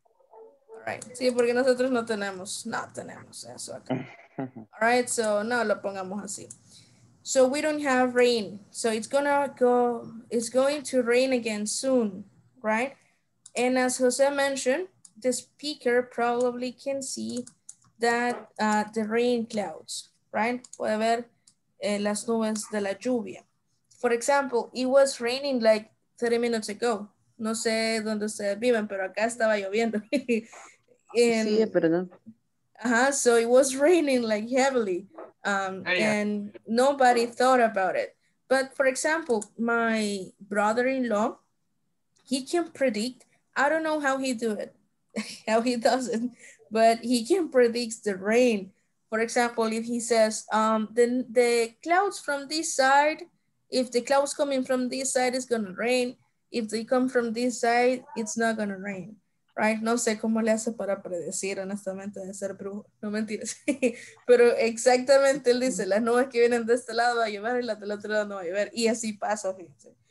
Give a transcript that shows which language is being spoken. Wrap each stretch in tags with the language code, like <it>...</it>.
<en>All right,</en> <es>sí, porque nosotros no tenemos eso acá.</es> <en>All right, so</en> <es>no lo pongamos así.</es> <en>So we don't have rain. So it's going to rain again soon, right? And as Jose mentioned, the speaker probably can see that the rain clouds, right?</en> <es>Puede ver las nubes de la lluvia.</es> <en>For example, it was raining like 30 minutes ago.</en> <es>No sé dónde ustedes viven, pero acá estaba lloviendo.</es> <en>And,</en> <es>sí, perdón.</es> <en>So it was raining like heavily and nobody thought about it. But for example, my brother-in-law, he can predict, I don't know how he do it. How he doesn't, but he can predict the rain. For example, if he says, the clouds from this side, if the clouds coming from this side, it's gonna rain. If they come from this side, it's not gonna rain, right?</en> <es>No sé cómo le hace para predecir, honestamente, de ser brujo. No mentiras. Pero exactamente él dice, las nubes que vienen de este lado va a llover y las del otro lado no va a llover. Y así pasa, fíjense.</es>